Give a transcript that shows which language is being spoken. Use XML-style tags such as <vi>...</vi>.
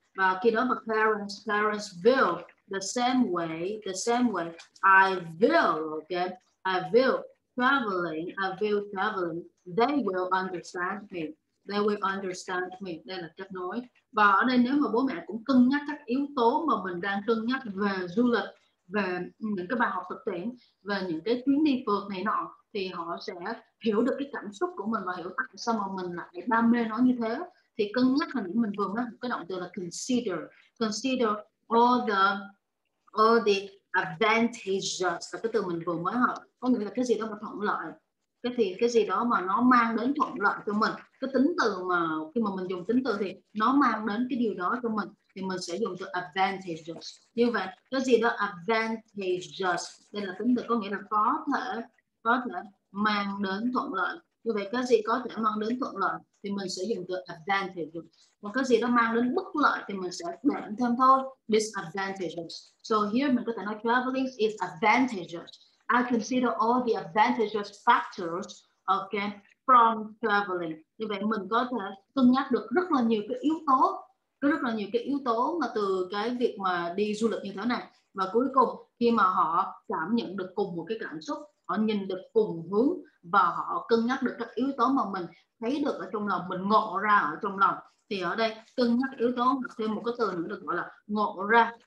<vi>Và khi đó mà</vi> <en>parents view the same way I view traveling, they will understand me.</en> <vi>Đây là cách nói. Và ở đây nếu mà bố mẹ cũng cân nhắc các yếu tố mà mình đang cân nhắc về du lịch, về những cái bài học thực tiễn, về những cái chuyến đi phượt này nọ, thì họ sẽ hiểu được cái cảm xúc của mình và hiểu tại sao mà mình lại đam mê nó như thế. Thì cân nhắc là những mình vừa nói, cái động từ là</vi> <en>consider all the advantages,</en> <vi>là cái từ mình vừa mới học, có nghĩa là cái gì đó mà thuận lợi, cái thì cái gì đó mà nó mang đến thuận lợi cho mình, cái tính từ mà khi mà mình dùng tính từ thì nó mang đến cái điều đó cho mình, thì mình sẽ dùng từ advantages. Như vậy cái gì đó advantages, đây là tính từ có nghĩa là có thể mang đến thuận lợi. Như vậy cái gì có thể mang đến thuận lợi thì mình sẽ dùng từ advantages, còn cái gì đó mang đến bất lợi thì mình sẽ đẩy thêm thôi disadvantages.</vi> <en>So here</en> <vi>mình có thể nói</vi> <en>traveling is advantages. I consider all the advantageous factors, okay, from traveling.</en> <vi>Như vậy mình có thể cân nhắc được rất là nhiều cái yếu tố, có rất là nhiều cái yếu tố mà từ cái việc mà đi du lịch như thế này. Và cuối cùng khi mà họ cảm nhận được cùng một cái cảm xúc, họ nhìn được cùng hướng và họ cân nhắc được các yếu tố mà mình thấy được ở trong lòng, mình ngộ ra ở trong lòng, thì ở đây cân nhắc yếu tố, thêm một cái từ nữa được gọi là ngộ ra.</vi>